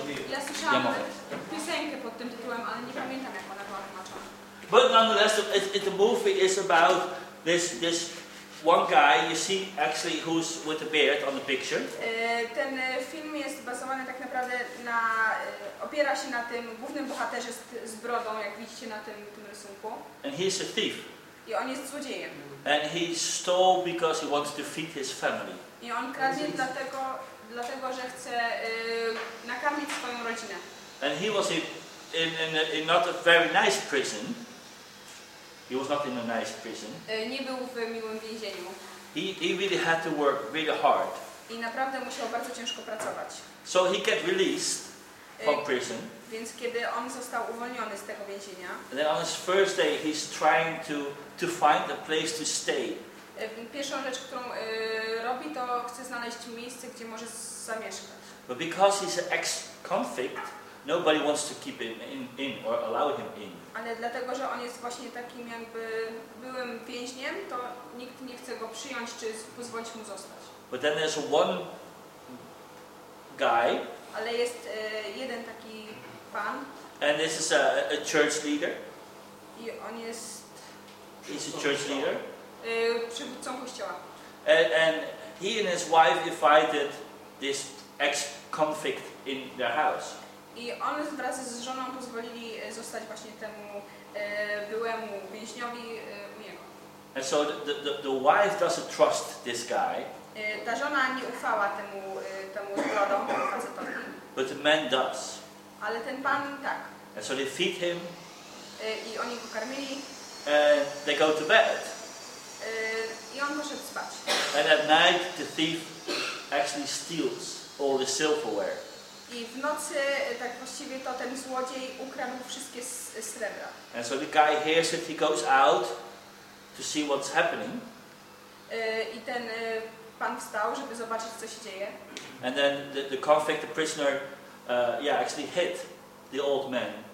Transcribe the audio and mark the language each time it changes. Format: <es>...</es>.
<pl>Ja słyszałam piosenkę pod tym tytułem, ale nie pamiętam, jak ona była tłumaczona.</pl> <en>But nonetheless, the movie is about this one guy you see actually who's with the beard on the picture.</en> <pl>Ten film jest bazowany tak naprawdę na opiera się na tym głównym bohaterze z brodą, jak widzicie na tym rysunku.</pl> <en>And he's a thief.</en> <pl>I on jest złodziejem.</pl> <en>And he stole because he wants to feed his family.</en> <pl>I on kradnie dlatego, że chce nakarmić swoją rodzinę.</pl> <en>And he was in not a very nice prison. He was not in a nice prison.</en> <pl>Nie był w miłym więzieniu.</pl> <en>He really had to work really hard.</en> <pl>I naprawdę musiał bardzo ciężko pracować.</pl> <en>So he got released from prison.</en> <pl>Więc kiedy on został uwolniony z tego więzienia.</pl> <en>And then on his first day he's trying to find a place to stay.</en> <pl>Pierwszą rzecz, którą robi, to chce znaleźć miejsce, gdzie może zamieszkać.</pl> <en>But because he's an ex-convict, nobody wants to keep him in or allow him in.</en> <pl>Ale dlatego, że on jest właśnie takim jakby byłym więźniem, to nikt nie chce go przyjąć czy pozwolić mu zostać.</pl> <en>But then there's one guy.</en> <pl>Ale jest jeden taki pan.</pl> <en>And this is a church leader.</en> <pl>I on jest.</pl> <en>He's a church leader.</en> <pl>Przywódcą kościoła.</pl> <en>And he and his wife invited this ex-convict in their house.</en> <pl>I on wraz z żoną pozwolili zostać właśnie temu byłemu więźniowi u niego.</pl> <en>And so the wife doesn't trust this guy.</en> <pl>Ta żona nie ufała temu brodom, facetowi.</pl> <en>But the man does.</en> <pl>Ale ten pan tak.</pl> <en>And so they feed him.</en> <pl>I oni go karmili.</pl> <en>And they go to bed.</en> <pl>I on poszedł spać.</pl> <en>And at night the thief actually steals all the silverware.</en> <pl>I w nocy tak właściwie to ten złodziej ukradł wszystkie srebra.</pl> <en>And so the guy hears it, he goes out to see what's happening.</en> <pl>I ten pan wstał, żeby zobaczyć, co się dzieje.</pl> <en>And then the convict, the prisoner, actually hit the old man.</en>